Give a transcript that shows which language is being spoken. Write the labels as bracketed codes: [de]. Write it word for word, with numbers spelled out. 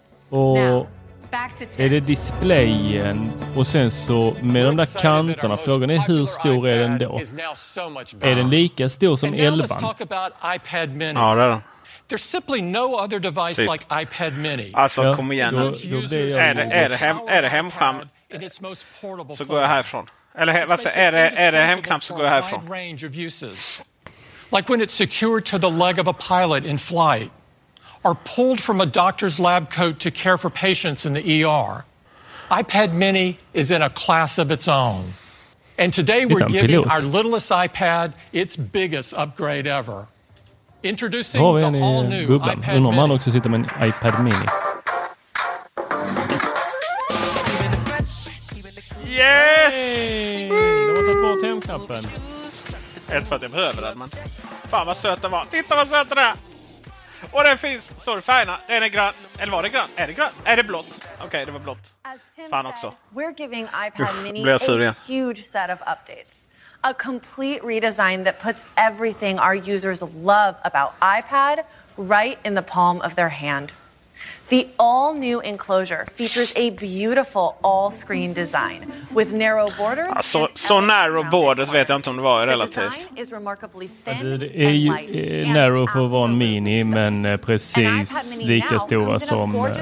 [sv] Och är det displayen och sen så med de där kanterna, frågan är hur stor är den då? Är den lika stor som elvan? Ja, det är den. [en] There's simply no other device [sv] typ [en] like iPad Mini. [sv] Alltså ja, kom igen. Då, då är det är det hem är det hemskärm så går jag härifrån. Eller he, vad säger är det är det hemknapp så går jag härifrån. [en] Like when it's secured to the leg of a pilot in flight. Are pulled from a doctor's lab coat to care for patients in the E R. iPad Mini is in a class of its own. And today we're giving our littlest iPad its biggest upgrade ever. Introducing oh, the all-new [sv] gubben. [en] iPad Mini. [sv] Man också sitter med en iPad Mini. [en] Yes! [sv] Du har tagit bort hemknappen. Ett för att jag behöver den, men... Fan vad söt den var. Titta vad söt den är! Och den finns, sorry, färgerna, den är grön, eller var det grön? Är det grön? Är det blått? Okej, okay, det var blått. Fan också. [en] We're giving iPad Mini a huge set of updates. A complete redesign that puts everything our users love about iPad right in the palm of their hand. The all-new enclosure features a beautiful all-screen design with narrow borders. [sv] Ja, så så narrow borders vet jag inte om det var relativt. Det, det är ju eh, narrow för att vara en mini, men eh, precis lika stora som eh,